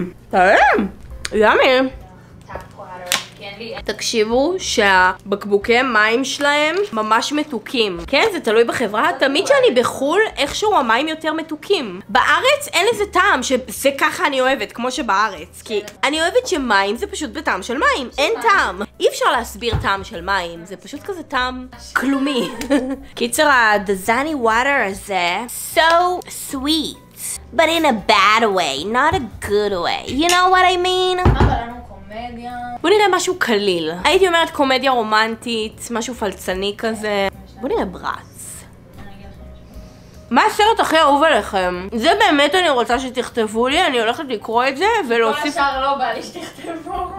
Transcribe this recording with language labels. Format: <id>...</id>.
<he>טעים, ימי. תקשיבו שהבקבוקי מים שלהם ממש מתוקים. כן, זה תלוי בחברה. תמיד שאני בחול, איכשהו המים יותר מתוקים. בארץ אין לזה טעם, שזה ככה אני אוהבת, כמו שבארץ. כי אני אוהבת שמים זה פשוט בטעם של מים. אין טעם. אי אפשר להסביר טעם של מים, זה פשוט כזה טעם כלומי. קיצר, הדזני וואטר הזה,</he> <en>so sweet, but in a bad way, not a good way. You know what I mean?</en> <he>בוא נראה משהו קליל. הייתי אומרת קומדיה רומנטית, משהו פלצני כזה. בוא נראה ברץ. מה הסרט הכי אהוב עליכם? זה באמת אני רוצה שתכתבו לי, אני הולכת לקרוא את זה ולהוסיף... כל השאר לא בא לי שתכתבו.</he>